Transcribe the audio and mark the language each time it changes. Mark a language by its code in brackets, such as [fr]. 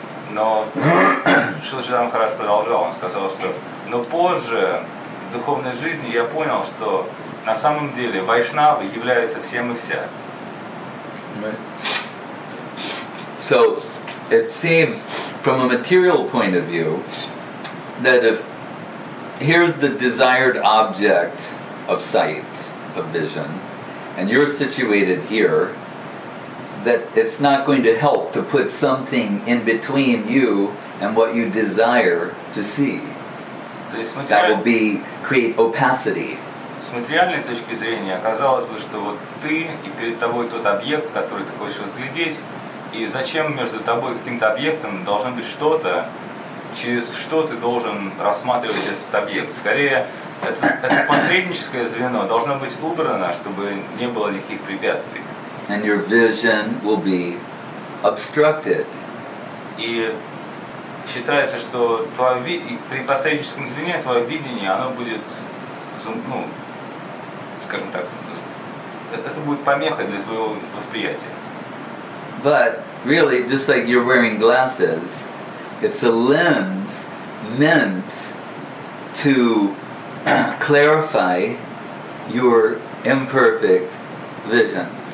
[ru] Но Шрила Сридхар Махарадж продолжал, он сказал, что но позже в духовной жизни я понял, что на самом деле Вайшнавы являются всем и вся. [en] Right. So it seems from a material point of view that if here's the desired object of sight, of vision, and you're situated here, that it's not going to help to put something in between you and what you desire to see. [ru] То есть, [en] that would be create opacity. [ru] С материальной точки зрения, казалось бы, что вот ты и перед тобой тот объект, который ты хочешь разглядеть, и зачем между тобой и каким-то объектом должно быть что-то, через что ты должен рассматривать этот объект. Скорее, это посредническое звено должно быть убрано, чтобы не было никаких препятствий. [en] And your vision will be obstructed. [ru] И считается, что при посредническом звене твое видение, оно будет, ну, скажем так, это будет помехой для твоего восприятия. [en] But really, just like you're wearing glasses, it's a lens meant to clarify your imperfect vision.